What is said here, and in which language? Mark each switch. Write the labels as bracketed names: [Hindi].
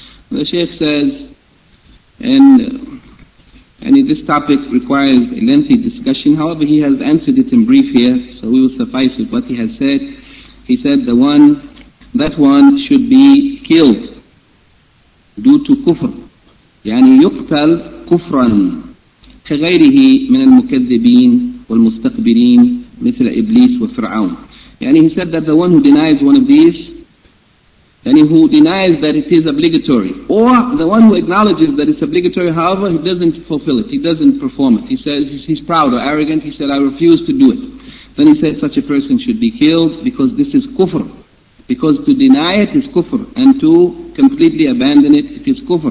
[English] The Shaykh says, and this topic requires a lengthy discussion, however he has answered it in brief here, so we will suffice with what he has said. He said that one should be killed due to kufr. [Arabic] يعني يقتل كفرا كغيره من المكذبين والمستكبرين مثل إبليس وفرعون. يعني [English] he said that the one who denies one of these, and who denies that it is obligatory, or the one who acknowledges that it's obligatory, however, he doesn't fulfill it, he doesn't perform it. He says he's proud or arrogant, he said, I refuse to do it. Then he says such a person should be killed because this is kufr. Because to deny it is kufr, and to completely abandon it, it is kufr.